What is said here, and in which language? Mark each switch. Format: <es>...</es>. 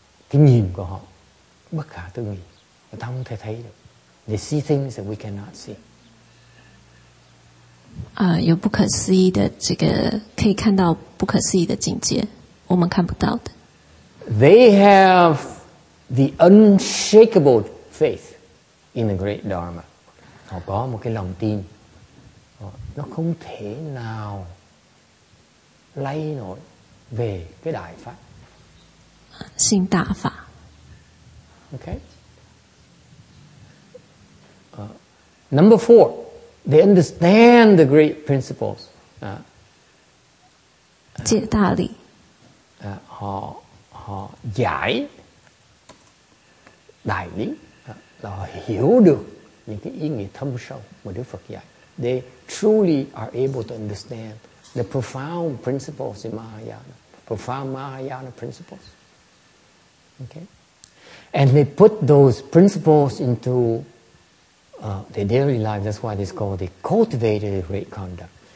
<vi>Cái nhìn của họ bất khả tư nghị, ta không thể thấy được.</vi> <en>They see things that we cannot see.</en> <zh>有不可思议的这个可以看到不可思议的境界，我们看不到的。</zh> <en>They have the unshakable faith in the great Dharma.</en> <vi>Họ có một cái lòng tin nó không thể nào lấy nổi về cái đại pháp. Xin đa pháp.</vi> <en>Ok. Number four, they understand the great principles.</en> <vi>Giải đại lý. Họ giải đại lý. Họ hiểu được những cái ý nghĩa thâm sâu mà Đức Phật dạy.</vi> <en>They truly are able to understand the profound principles in Mahayana, profound Mahayana principles. Okay? And they put those principles into their daily life. That's why it's called the cultivated great conduct.</en>